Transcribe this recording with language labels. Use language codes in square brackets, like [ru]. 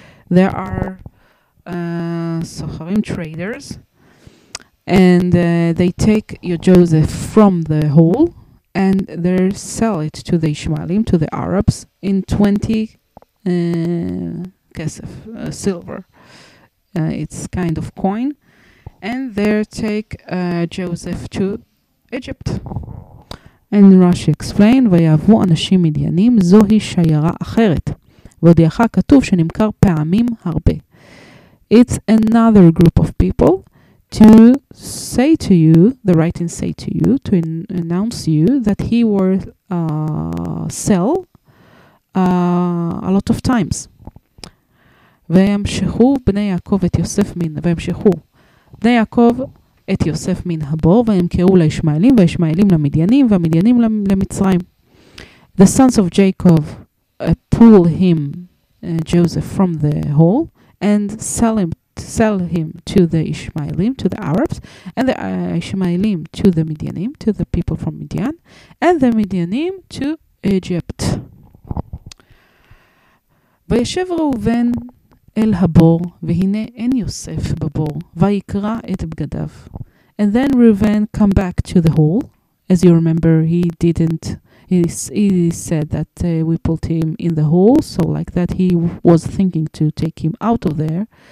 [en] There are סוחרים, traders, and they take your Joseph from the hole and they sell it to the Ishmaelim, to the Arabs, in 20 kesef, silver. It's kind of coin. And they take Joseph to Egypt. And Rashi explained, [he] ויעבו אנשים מדיינים, זוהי שיירה אחרת. והודיעך כתוב שנמכר פעמים הרבה. [en] It's another group of people. To say to you, the writing say to you, to announce you that he will sell a lot of times. [he] וימשכו בני יעקב את יוסף מן, וימשכו בני יעקב את יוסף מן הבור, וימכרו לישמעאלים, וישמעאלים למדיינים, והמדיינים למצרים. [en] The sons of Jacob pull him, Joseph, from the hole and sell him to the Ishmaelim, to the Arabs, and the Ishmaelim to the Midianim, to the people from Midian, and the Midianim to Egypt. [he] וישב ראובן אל הבור, והנה אין יוסף בבור, ויקרא את בגדיו. [en] And then Reuven come back to the hole. As you remember, he didn't, he said that we put him in the hole, so like that he was thinking to take him out of there.